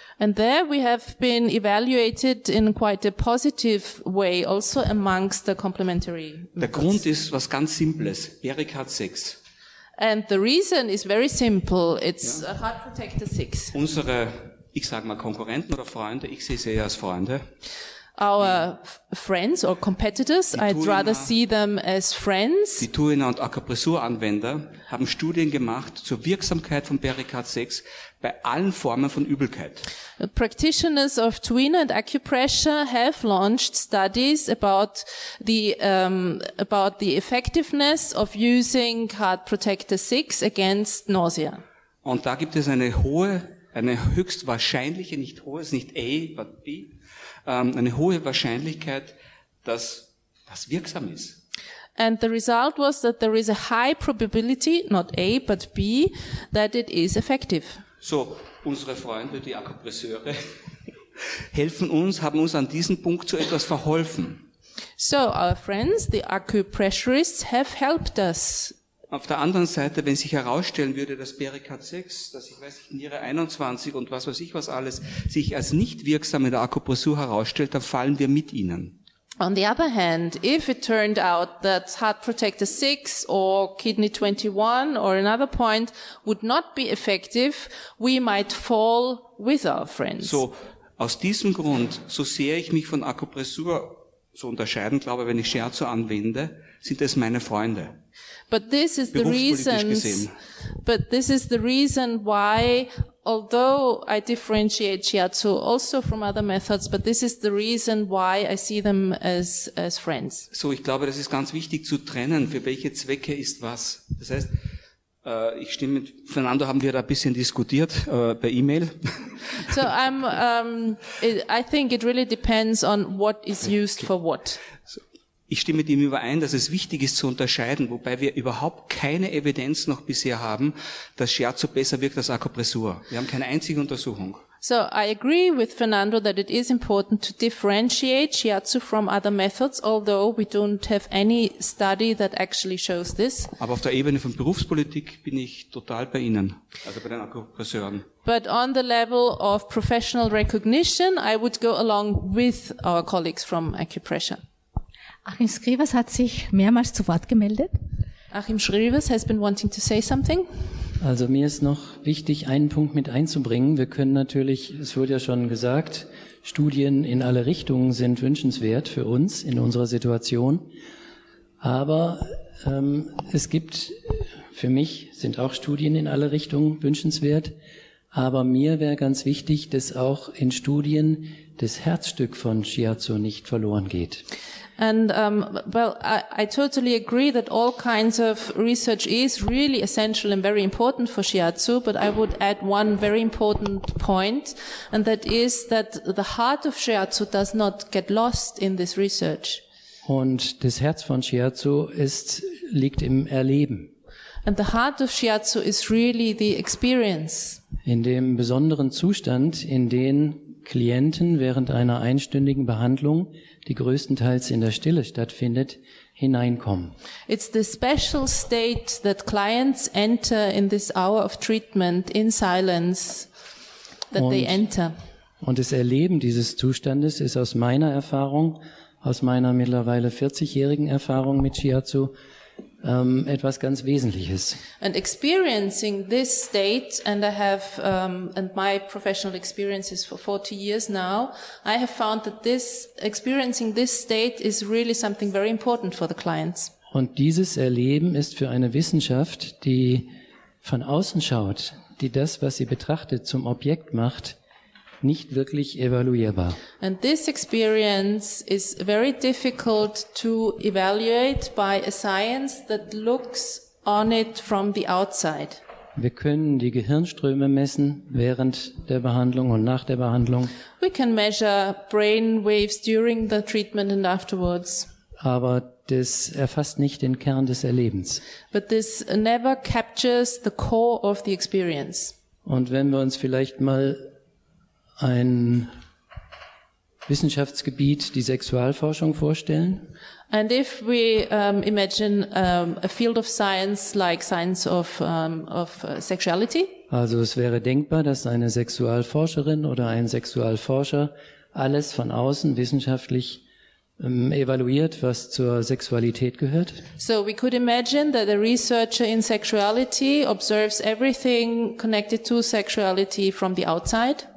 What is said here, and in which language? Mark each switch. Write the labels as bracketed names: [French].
[English] And there we have been evaluated in quite a positive way, also amongst the complementary. [German] Der Grund ist was ganz Simples, Bericard 6. [English] And the reason is very simple, it's a Heart Protector 6. [German] Unsere, ich sage mal Konkurrenten oder Freunde, ich sehe sie eher als Freunde. [English] Our friends or competitors, I'd rather see them as friends. [German] Die Tuina und Akupressuranwender haben Studien gemacht zur Wirksamkeit von Bericard 6 bei allen Formen von Übelkeit. [English] Practitioners of Tuina and Acupressure have launched studies about the effectiveness of using Heart Protector 6 against nausea. [German] Und da gibt es eine hohe Wahrscheinlichkeit, dass das wirksam ist. [English] And the result was that there is a high probability, not A, but B, that it is effective. [German] So, unsere Freunde, die Akupressure, helfen uns, haben uns an diesem Punkt zu etwas verholfen. [English] So our friends, the acupressurists, have helped us. [German] Auf der anderen Seite, wenn sich herausstellen würde, dass Berikat 6, dass ich weiß nicht, Niere 21 und was weiß ich was alles, sich als nicht wirksam in der Akupressur herausstellt, dann fallen wir mit ihnen. [English] On the other hand, if it turned out that Heart Protector 6 or Kidney 21 or another point would not be effective, we might fall with our friends. [German] So, aus diesem Grund, so sehr ich mich von Akupressur zu unterscheiden glaube, wenn ich Shiatsu anwende, sind es meine Freunde. [English] But this is the reason. But this is the reason why, although I differentiate Shiatsu also from other methods, but this is the reason why I see them as friends. [German] So, ich glaube, das ist ganz wichtig zu trennen. Für welche Zwecke ist was? Das heißt, ich stimme mit Fernando, haben wir da ein bisschen diskutiert per E-Mail. [English] So, I think it really depends on what is used for what. [German] Ich stimme mit ihm überein, dass es wichtig ist zu unterscheiden, wobei wir überhaupt keine Evidenz noch bisher haben, dass Shiatsu besser wirkt als Akupressur. Wir haben keine einzige Untersuchung. [English] So I agree with Fernando that it is important to differentiate Shiatsu from other methods, although we don't have any study that actually shows this. [German] Aber auf der Ebene von Berufspolitik bin ich total bei Ihnen, also bei den Akupressuren. [English] But on the level of professional recognition, I would go along with our colleagues from acupressure. [German] Achim Schrievers hat sich mehrmals zu Wort gemeldet. [English] Achim Schrievers has been wanting to say something. [German] Also mir ist noch wichtig, einen Punkt mit einzubringen. Wir können natürlich, es wurde ja schon gesagt, Studien in alle Richtungen sind wünschenswert für uns in unserer Situation. Aber es gibt, für mich sind auch Studien in alle Richtungen wünschenswert. Aber mir wäre ganz wichtig, dass auch in Studien das Herzstück von Shiatsu nicht verloren geht. [English] And I totally agree that all kinds of research is really essential and very important for Shiatsu, but I would add one very important point, and that is that the heart of Shiatsu does not get lost in this research. [German] Und das Herz von Shiatsu liegt im Erleben. [English] And the heart of Shiatsu is really the experience. [German] In dem besonderen Zustand, in den Klienten während einer einstündigen Behandlung, die größtenteils in der Stille stattfindet, hineinkommen. [English] It's the special state that clients enter in this hour of treatment in silence that they enter. [German] Und das Erleben dieses Zustandes ist aus meiner Erfahrung, aus meiner mittlerweile 40-jährigen Erfahrung mit Shiatsu, etwas ganz Wesentliches. [English] And experiencing this state, and I have and my professional experiences for 40 years now, I have found that this experiencing this state is really something very important for the clients. [German] Und dieses Erleben ist für eine Wissenschaft, die von außen schaut, die das, was sie betrachtet, zum Objekt macht, nicht wirklich evaluierbar. [English] And this experience is very difficult to evaluate by a science that looks on it from the outside. [German] Wir können die Gehirnströme messen während der Behandlung und nach der Behandlung. [English] We can measure brain waves during the treatment and afterwards. [German] Aber das erfasst nicht den Kern des Erlebens. [English] But this never captures the core of the experience. [German] Und wenn wir uns vielleicht mal ein Wissenschaftsgebiet, die Sexualforschung, vorstellen. [English] And if we imagine a field of science like science of sexuality. [German] Also es wäre denkbar, dass eine Sexualforscherin oder ein Sexualforscher alles von außen wissenschaftlich evaluiert, was zur Sexualität gehört. [English] So we could imagine that a researcher in sexuality observes everything connected to sexuality from the outside.